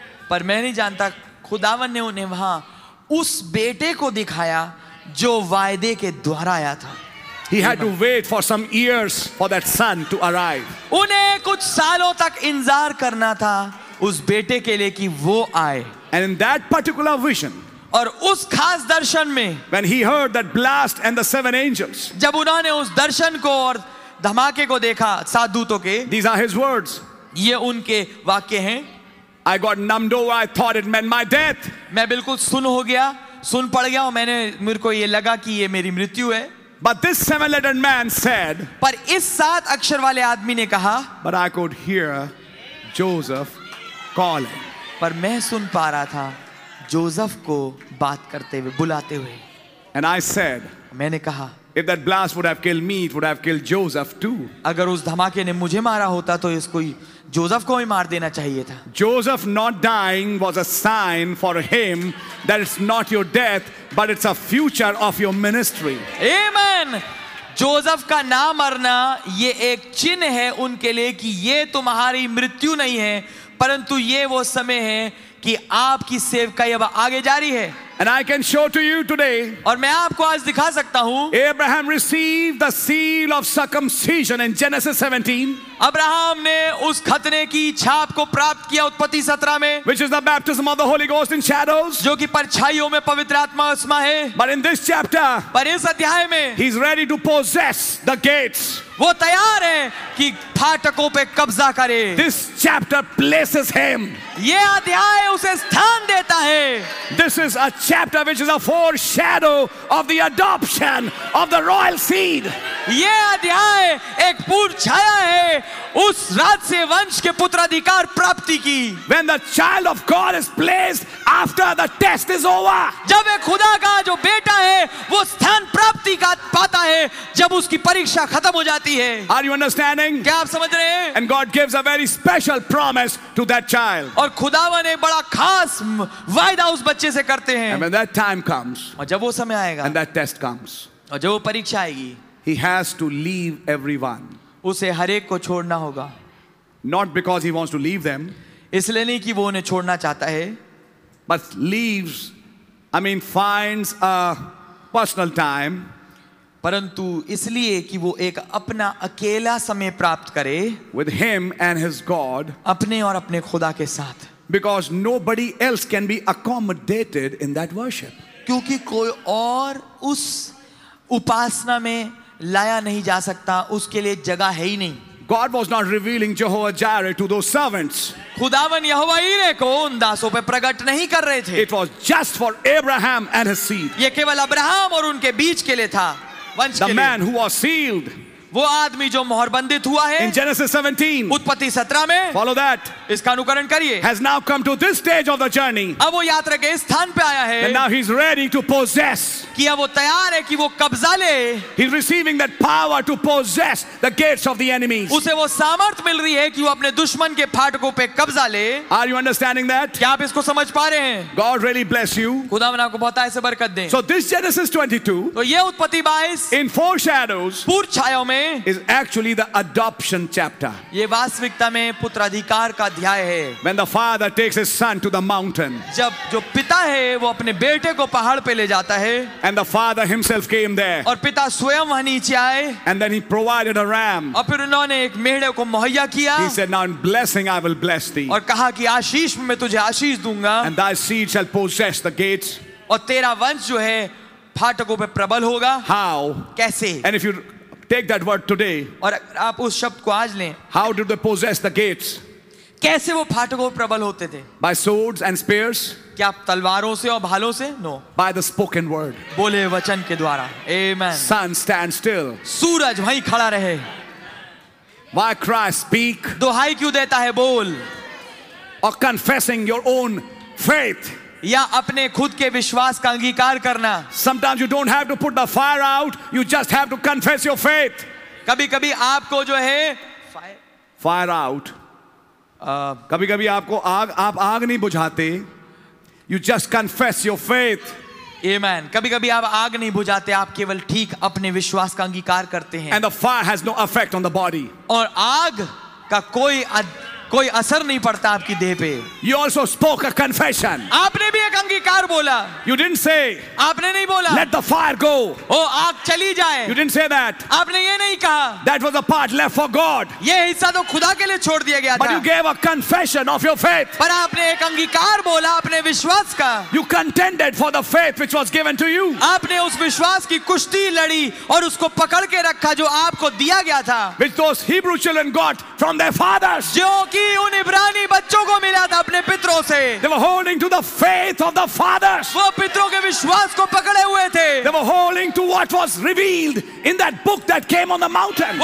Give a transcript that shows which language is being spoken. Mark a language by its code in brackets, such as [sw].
[hi] पर मैं नहीं जानता, खुदावन ने उन्हें वहां उस बेटे को दिखाया जो वायदे के द्वारा आया था. [en] He had to wait for some years for that son to arrive. [hi] उन्हें कुछ सालों तक इंतजार करना था उस बेटे के लिए कि वो आए. [en] And in that particular vision, [hi] और उस खास दर्शन में, [en] when he heard that blast and the seven angels, [hi] जब उन्होंने उस दर्शन को और धमाके को देखा सात दूतों के, [en] these are his words, [hi] ये उनके वाक्य हैं, [en] I got numbed over, I thought it meant my death, [hi] मैं बिल्कुल सुन हो गया, सुन पड़ गया और मैंने मेरे को ये लगा कि ये मेरी मृत्यु है, [en] but this seven-letter man said, [hi] पर इस सात अक्षर वाले आदमी ने कहा, [en] but I could hear Joseph calling, [hi] पर मैं सुन पा रहा था जोसेफ को बात करते हुए बुलाते हुए. [en] And I said, [hi] मैंने कहा, [en] if that blast would have killed me, it would have killed Joseph too. [hi] अगर उस धमाके ने मुझे मारा होता तो इसको जोसेफ को ही मार देना चाहिए था. [en] Joseph not dying was a sign for him that it's not your death, but it's a future of your ministry. Amen. [hi] Joseph का ना मरना ये एक चिन्ह है उनके लिए कि ये तुम्हारी मृत्यु नहीं है, परंतु ये वो समय है कि आपकी सेवकाई अब आगे जारी है. [en] And I can show to you today, [hi] और मैं आपको आज दिखा सकता हूं. [en] Abraham received the seal of circumcision in Genesis 17. [hi] Abraham ने उस खतने की छाप को प्राप्त किया उत्पत्ति 17 में. [en] Which is the baptism of the Holy Ghost in shadows. [hi] जो कि परछाइयों में पवित्र आत्मा उसमें है. [en] But in this chapter, [hi] पर इस अध्याय में, [en] he's ready to possess the gates. [hi] वो तैयार है कि फाटकों पे कब्जा करे. [en] This chapter places him. [hi] ये अध्याय उसे स्थान देता है. [en] This is a chapter which is a foreshadow of the adoption of the royal seed. [hi] ये अध्याय एक पूर्वछाया है उस राजसे वंश के पुत्राधिकार प्राप्ति की. [en] When the child of God is placed after the test is over. [hi] जब एक खुदा का जो बेटा है वो स्थान प्राप्ति का पाता है जब उसकी परीक्षा खत्म हो जाती है. [en] Are you understanding? [hi] क्या आप समझ रहे हैं? [en] And God gives a very special promise to that child. [hi] और खुदावन एक बड़ा खास वायदा उस बच्चे से करते हैं. [en] And when that time comes. [hi] और जब वो समय आएगा. [en] And that test comes. [hi] और जब वो परीक्षा आएगी. [en] He has to leave everyone. [hi] उसे हर एक को छोड़ना होगा. [en] Not because he wants to leave them. [hi] इसलिए नहीं कि वो उन्हें छोड़ना चाहता है. [en] But leaves, I mean, finds a personal time. [hi] परंतु इसलिए कि वो एक अपना अकेला समय प्राप्त करे. [en] With him and his God. [hi] अपने और अपने खुदा के साथ. [en] Because nobody else can be accommodated in that worship. [hi] क्योंकि कोई और उस उपासना में लाया नहीं जा सकता, उसके लिए जगह है ही नहीं. [en] God was not revealing Jehovah Jireh to those servants. [hi] खुदावन यहोवा यीरे को उन दासों पे प्रकट नहीं कर रहे थे. [en] It was just for Abraham and his seed. [hi] ये केवल अब्राहम और उनके बीच के लिए था, वंश के लिए. [en] The man who was sealed. [hi] वो आदमी जो मोहर बंधित हुआ है. [en] In Genesis 17. [hi] उत्पत्ति 17 में. [en] Follow that. [hi] इसका अनुकरण करिए. [en] Has now come to this stage of the journey. [hi] अब वो यात्रा के स्थान पे आया है. [en] And now he's ready to possess. [hi] कि अब वो तैयार है कि वो कब्जा ले. [en] He's receiving that power to possess the gates of the enemies. [hi] उसे वो सामर्थ्य मिल रही है कि वो अपने दुश्मन के फाटकों पे कब्जा ले. [en] Are you understanding that? [hi] क्या आप इसको समझ पा रहे हैं? [en] God really bless you. [hi] खुदावन आपको बहुत ऐसे बरकत दे. [en] So this Genesis 22. [hi] तो ये उत्पत्ति 22. [en] In foreshadows. [hi] पूर्व छायों में. में [en] is actually the adoption chapter. [hi] ये वास्तविकता में पुत्राधिकार का अध्याय है. [en] When the father takes his son to the mountain. [hi] जब जो पिता है वो अपने बेटे को पहाड़ पे ले जाता है. [en] And the father himself came there. [hi] और पिता स्वयं वहां नीचे आए. [en] And then he provided a ram. [hi] और फिर उन्होंने एक मेढ़े को मुहैया किया. [en] He said, "Now in blessing I will bless thee." [hi] और कहा कि आशीष में तुझे आशीष दूंगा. [en] And thy seed shall possess the gates. [hi] और तेरा वंश जो है फाटकों पे प्रबल होगा. [en] How? [hi] कैसे? [en] And if you take that word today, [hi] और आप उस शब्द को आज लें, [en] how did they possess the gates? [hi] कैसे वो फाटकों पे प्रबल होते थे? [en] By swords and spears? [hi] क्या आप तलवारों से और भालों से? [en] No. By the spoken word. [hi] बोले वचन के द्वारा. [en] Amen. Sun stand still. [hi] सूरज वहीं खड़ा रहे. [en] Why cry? Speak. [hi] दुहाई क्यों देता है? बोल. [en] Or confessing your own faith. [hi] या अपने खुद के विश्वास का अंगीकार करना. [en] Sometimes you don't have to put the fire out, you just have to confess your faith. [hi] कभी कभी आपको जो है [en] fire out. [hi] कभी कभी आपको आग, आप आग नहीं बुझाते, [en] you just confess your faith. Amen. [hi] कभी कभी आप आग नहीं बुझाते, आप केवल ठीक अपने विश्वास का अंगीकार करते हैं. [en] And the fire has no effect on the body. [hi] और आग का कोई असर नहीं पड़ता आपकी देह पे. [en] You also spoke a confession. [hi] आपने भी एक अंगीकार बोला. [en] You didn't say. [hi] आपने नहीं बोला. [en] Let the fire go. [hi] ओ आग चली जाए. [en] You didn't say that. [hi] आपने ये नहीं कहा. [en] That was a part left for God. [hi] ये हिस्सा तो खुदा के लिए छोड़ दिया गया था. [en] But you gave a confession of your faith. [hi] पर आपने एक अंगीकार बोला अपने विश्वास का. [en] You contended for the faith which was given to you. [hi] आपने उस विश्वास की कुश्ती लड़ी और उसको पकड़ के रखा जो आपको दिया गया था. [en] Which those Hebrew children got from their fathers. [hi] जो कि उन इब्रानी बच्चों को मिला था अपने पितरों से. [en] They were holding to the faith of the fathers. [hi] वो पितरों के विश्वास को पकड़े हुए थे. [en] They were holding to what was revealed in that book that came on the mountain.